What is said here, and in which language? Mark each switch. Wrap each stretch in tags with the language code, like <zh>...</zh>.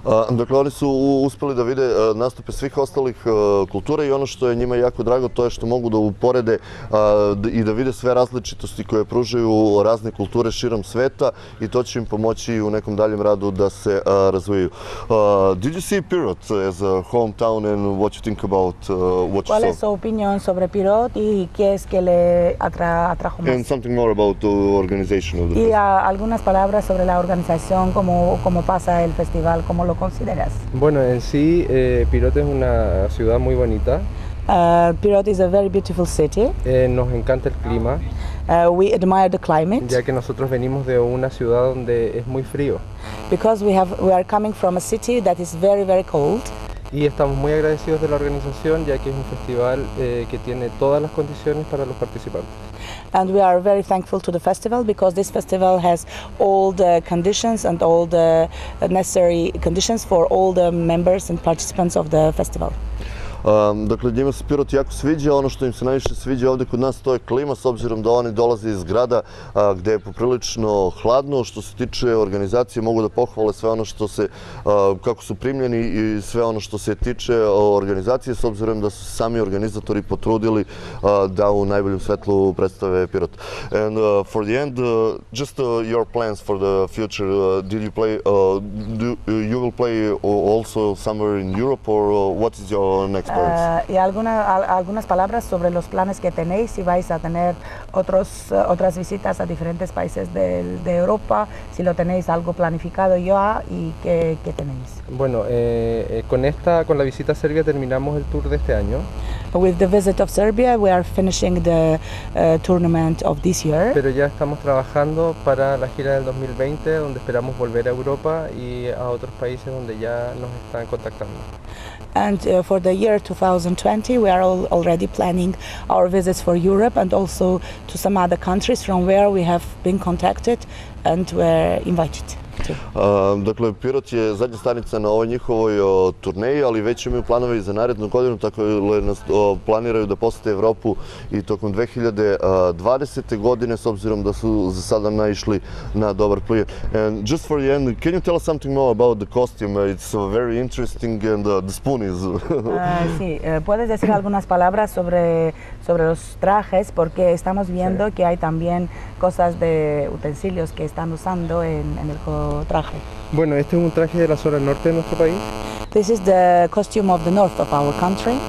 <sr>Dakle, oni su uspeli da vide nastupe svih ostalih kultura i ono što je njima jako drago, to je što mogu da uporede i da vide sve različitosti koje pružaju razne kulture širom sveta i to će im pomoći u nekom daljem radu da se razvijaju.</sr> <en>Did you see Pirot as a hometown and what you think about what you saw?</en> <es>¿Cuál es su opinión sobre Pirot y qué es que le atrajo más?</es> <en>And something more about the organization of the</en> <es>festival. Y algunas palabras sobre la organización, cómo pasa el festival, cómo lo consideras? Bueno, en sí, Pirot es una ciudad muy bonita.</es> <en>Pirot is a very beautiful city.</en> <es>Nos encanta el clima.</es> <en>We admire the climate.</en> <es>Ya que nosotros venimos de una ciudad donde es muy frío.</es> <en>Because we are coming from a city that is very, very cold.</en> <es>Y estamos muy agradecidos de la organización, ya que es un festival que tiene todas las condiciones para los participantes.</es> <en>And we are very thankful to the festival because this festival has all the conditions and all the necessary conditions for all the members and participants of the festival.</en> <sr>Dakle, njima se Pirot jako sviđa. Ono što im se najviše sviđa ovdje kod nas, to je klima, s obzirom da oni dolaze iz grada gdje je poprilično hladno. Što se tiče organizacije, mogu da pohvale sve ono što se, kako su primljeni i sve ono što se tiče organizacije, s obzirom da su sami organizatori potrudili da u najboljem svetlu predstave Pirot.</sr> <en>And for the end, just your plans for the future, did you play, you will play also somewhere in Europe or what is your next?</en> <es>Y algunas palabras sobre los planes que tenéis, si vais a tener otras visitas a diferentes países de Europa, si lo tenéis algo planificado ya y qué tenéis. Bueno, con la visita a Serbia terminamos el tour de este año.</es> <en>With the visit of Serbia, we are finishing the tournament of this year.</en> <es>Pero ya estamos trabajando para la gira del 2020, donde esperamos volver a Europa y a otros países donde ya nos están contactando.</es> <en>And for the year 2020, we are already planning our visits for Europe and also to some other countries from where we have been contacted and were invited.</en> <sr>Dakle, Pirot je zadnja stanica na ovoj njihovoj turneji, ali već imaju planove i za narednu godinu, tako planiraju da posete Evropu i tokom 2020. godine, s obzirom da su za sada naišli na dobar plijer.</sr> <en>And just for the end, can you tell us something more about the costume? It's very interesting and the spoon is...</en> <es>Sí, puedes decir algunas palabras sobre los trajes, porque estamos viendo que hay también cosas de utensilios que están usando en el traje. Bueno, este es un traje de la zona norte de nuestro país.</es> <en>This is the costume of the north of our country.</en>